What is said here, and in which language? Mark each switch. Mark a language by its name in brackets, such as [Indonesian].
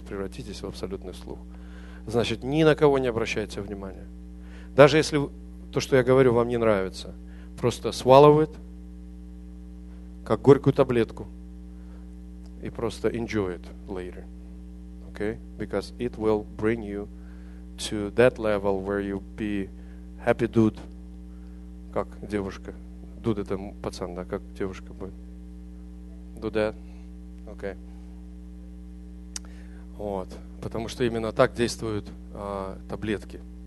[Russian] Превратитесь в абсолютный слух. Значит, ни на кого не обращайте внимания. Даже если то, что я говорю, вам не нравится, просто [English] swallow it, [Russian] как горькую таблетку, и просто [English] enjoy it later. Okay? Because it will bring you to that level where you be happy dude. [Russian] Как девушка. Dude — это пацан, да? Как девушка будет? [English] Do that? Okay. [Russian] Вот. Потому что именно так действуют таблетки.